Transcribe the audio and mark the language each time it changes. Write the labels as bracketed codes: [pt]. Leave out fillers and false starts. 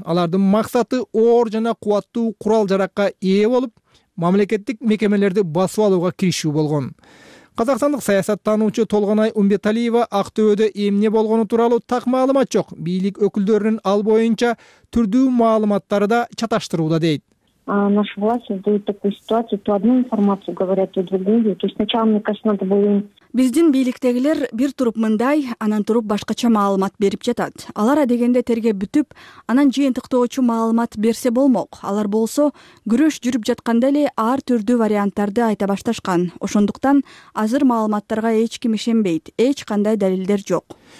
[ky] Алардын максаты оор жана кубаттуу курал жаракка ээ болуп, мамлекеттик мекемелерди басып алууга киришүү болгон. Казакстандык саясаттануучу Толгонай Умбеталиева Актөбөдө эмне болгону тууралуу так маалымат жок. Бийлик өкүлдөрүнүн ал боюнча түрдүү маалыматтары да чаташтырууда дейт. [ru] Наша власть создает такую ситуацию, то одну информацию говорят, то другую. То есть сначала, мне кажется, надо было... [ky] Биздин бийликтегилер бир туруп мындай, анан туруп башкача маалымат берип жатат. Алар адегенде терге бүтүп, анан жыйынтыктоочу маалымат берсе болмок. Алар болсо, күрөш жүрүп жатканда эле ар түрдүү варианттарды айта башташкан. Ошондуктан азыр маалыматтарга эч ким ишенбейт, эч кандай далилдер жок.